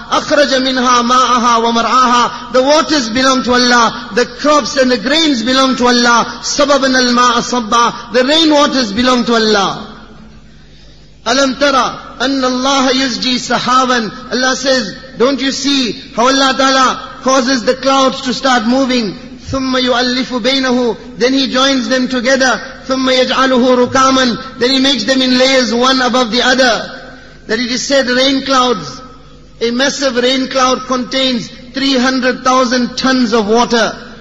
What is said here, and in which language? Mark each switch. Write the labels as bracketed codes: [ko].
[ar] أخرج منها ماءها ومرعاها. [en] The waters belong to Allah. The crops and the grains belong to Allah. [ar] سبب الماء صبا. [en] The rain waters belong to Allah. [ar] ألم ترى أن الله يزجي سحابا. [en] Allah says, don't you see how Allah Ta'ala causes the clouds to start moving? [ar] ثُمَّ يُؤَلِّفُ بَيْنَهُ [en] Then He joins them together. [ar] ثُمَّ يَجْعَلُهُ رُكَامًا [en] Then He makes them in layers one above the other. That it is said rain clouds, a massive rain cloud contains 300,000 tons of water.